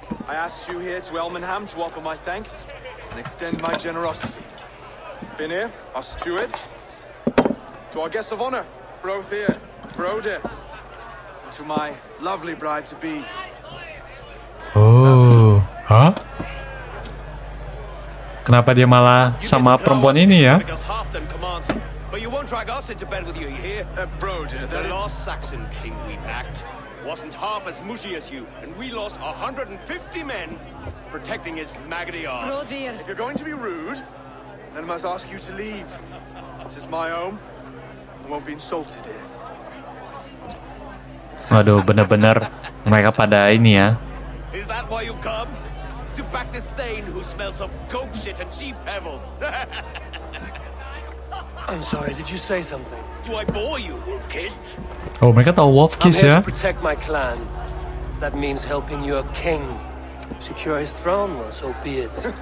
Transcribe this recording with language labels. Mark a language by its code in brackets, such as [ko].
[en] I asked you here to Elmenham to offer my thanks and extend my generosity. Finnir, our steward, to our guest of honor, Brothir, Brode, and to my lovely bride to be. Oh, huh? [id] Kenapa dia malah sama perempuan ini ya? [en] But you won't drag us into bed with you, you hear? Brode, the last Saxon king we backed wasn't half as mushy as you, and we lost 150 men protecting his maggoty arse. Brodeir. If you're going to be rude, then I must ask you to leave. This is my home, and won't be insulted here. [id] Waduh, benar-benar mereka pada ini ya. [en] Is that why you've come? To back this thane who smells of goat shit and sheep pebbles? I'm sorry, did you say something? Do I bore you, Wolfkist? [id] Oh, mereka tahu Wolfkist ya? [en] I'm here to protect my clan. If that means helping your king secure his throne, well, so be it.